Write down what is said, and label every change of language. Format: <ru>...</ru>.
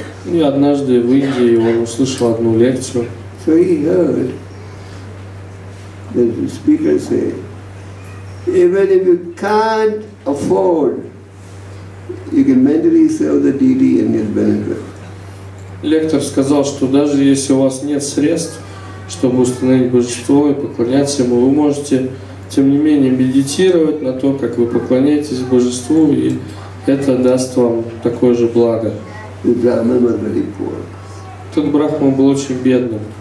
<ru>И однажды в Индии он услышал одну лекцию.</ru> <en>So he heard the speaker say, even if you can't afford, you can mentally sell the DD and get benefit.</en> <ru>Лектор сказал, что даже если у вас нет средств, чтобы установить божество и поклоняться ему, вы можете, тем не менее, медитировать на то, как вы поклоняетесь божеству, и это даст вам такое же благо. Тот брахман был очень бедным.</ru>